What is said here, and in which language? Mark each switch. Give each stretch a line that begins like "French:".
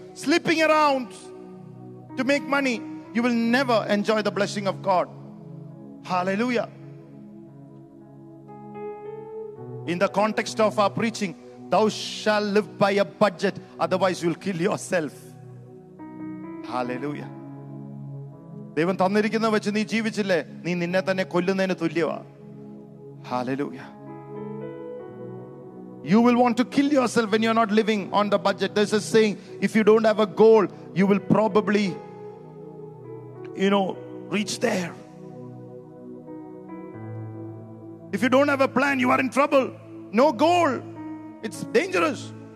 English: Slipping around to make money. You will never enjoy the blessing of God. Hallelujah. In the context of our preaching, thou shalt live by a budget. Otherwise, you'll kill yourself. Hallelujah.
Malayalam: ദൈവം തന്നിരിക്കുന്ന വെച്ച് നീ ജീവിച്ചില്ലേ, നീ നിന്നെ തന്നെ കൊല്ലുന്നതിന് തുല്യമാണ്. Hallelujah.
English: You will want to kill yourself when you're not living on the budget. There's a saying, if you don't have a goal, you will probably, you know, reach there. If you don't have a plan, you are in trouble. No goal. It's dangerous.